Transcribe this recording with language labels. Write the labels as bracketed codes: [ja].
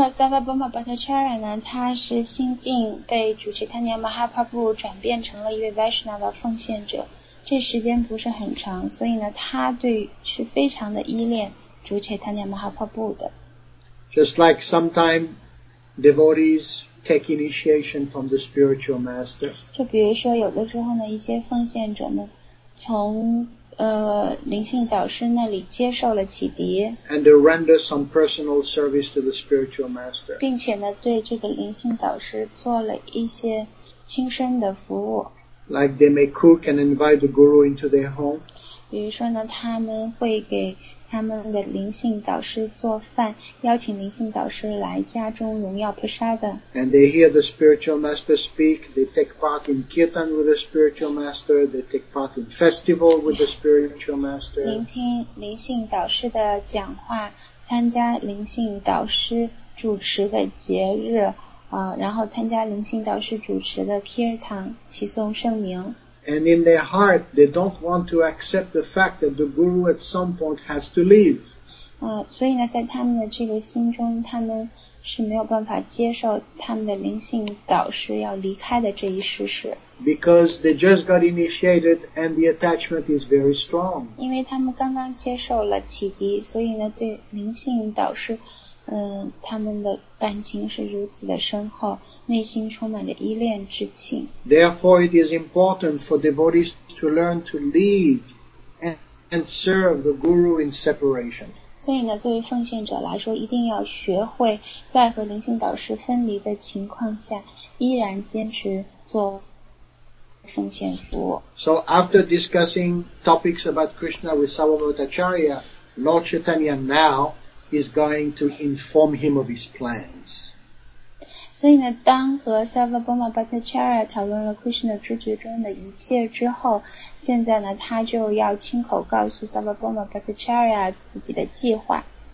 [zh] 那么 Sabamama Bhattacharya 呢，他是心境被主 Chaitanya Mahaprabhu 转变成了一位 Vaishnava 奉献者。这时间不是很长，所以呢，他对是非常的依恋主 Chaitanya Mahaprabhu 的。 [en] Just like sometime devotees take initiation from the spiritual master. [zh] 就比如说有的时候呢，一些奉献者呢，从灵性导师那里接受了启迪。 [en] And they render some personal service to the spiritual master. [zh] 并且呢，对这个灵性导师做了一些亲身的服务。 [en] Like they may cook and invite the guru into their home. [zh] 比如说呢，他们会给他们的灵性导师做饭，邀请灵性导师来家中荣耀普沙的。 [en] And they hear the spiritual master speak. They take part in kirtan with the spiritual master. They take part in festival with the spiritual master. [zh] 聆听灵性导师的讲话，参加灵性导师主持的节日。然后参加灵性导师主持的 Kirtan 起诵圣名。 [en] And in their heart, they don't want to accept the fact that the guru at some point has to leave. [zh] 所以呢，在他们的这个心中，他们是没有办法接受他们的灵性导师要离开的这一事实。 [en] Because they just got initiated and the attachment is very strong. [zh] 因为他们刚刚接受了启迪，所以呢，对灵性导师他们的感情是如此的深厚，内心充满着依恋之情。 [en] Therefore, it is important for devotees to learn to lead and serve the guru in separation. [zh] 所以呢，作为奉献者来说，一定要学会在和灵性导师分离的情况下，依然坚持做奉献服务。 [en] So after discussing topics about Krishna with Sabamama Bhattacharya, Lord Chaitanya now is going to inform him of his plans. [zh] 所以呢，当和 Sabamama Bhattacharya 讨论了 Krishna 知觉中的一切之后，现在呢，他就要亲口告诉 Sabamama Bhattacharya 自己的计划。